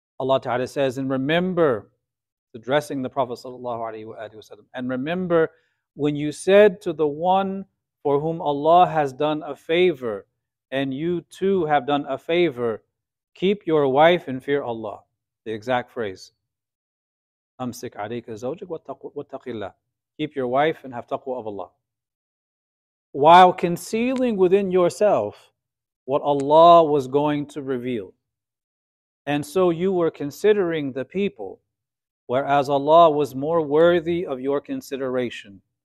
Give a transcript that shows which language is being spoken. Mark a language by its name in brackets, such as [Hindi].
[English] Allah Ta'ala says, and remember, addressing the Prophet sallallahu alaihi wasallam, and remember when you said to the one for whom Allah has done a favor, and you too have done a favor, keep your wife and fear Allah. The exact phrase. [Arabic] أمسك عليك زوجك واتق الله. [English] Keep your wife and have taqwa of Allah. While concealing within yourself what Allah was going to reveal. And so you were considering the people, whereas Allah was more worthy of your consideration.